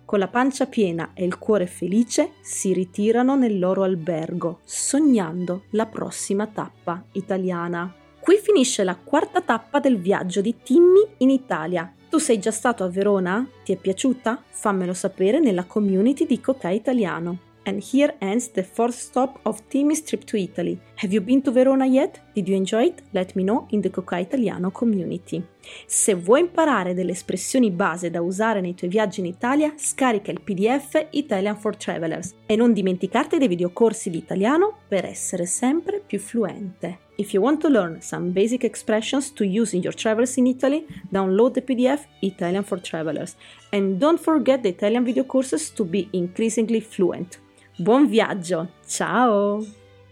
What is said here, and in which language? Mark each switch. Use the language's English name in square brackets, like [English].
[Italian] Con la pancia piena e il cuore felice, si ritirano nel loro albergo, sognando la prossima tappa italiana. Qui finisce la quarta tappa del viaggio di Timmy in Italia. Tu sei già stato a Verona? Ti è piaciuta? Fammelo sapere nella community di Cocai Italiano. [English] And here ends the fourth stop of Timmy's trip to Italy. Have you been to Verona yet? Did you enjoy it? Let me know in the Coca Italiano community. [Italian] Se vuoi imparare delle espressioni base da usare nei tuoi viaggi in Italia, scarica il PDF Italian for Travelers e non dimenticarti dei videocorsi di italiano per essere sempre più fluente. [English] If you want to learn some basic expressions to use in your travels in Italy, download the PDF Italian for Travelers. And don't forget the Italian video courses to be increasingly fluent. [Italian] Buon viaggio! Ciao!